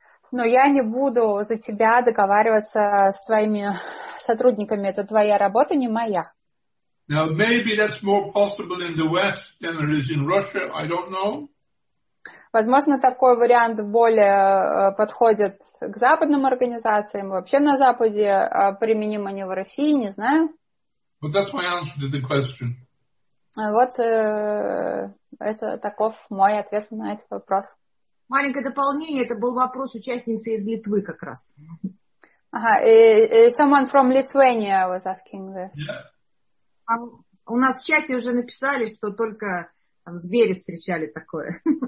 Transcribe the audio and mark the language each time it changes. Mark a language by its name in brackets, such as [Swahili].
[Russian] Но я не буду за тебя договариваться с твоими сотрудниками. Это твоя работа, не моя. [English] Now maybe that's more possible in the West than it is in Russia. I don't know. [Russian] Возможно, такой вариант более подходит к западным организациям. Вообще на Западе применимо не в России, не знаю. [English] But that's my answer to the question. [Russian] Вот это таков мой ответ на этот вопрос. Маленькое дополнение. Это был вопрос участницы из Литвы как раз. Ага. [English] Someone from Lithuania was asking this. Yeah. [Russian] А у нас в чате уже написали, что только в Сбере встречали такое.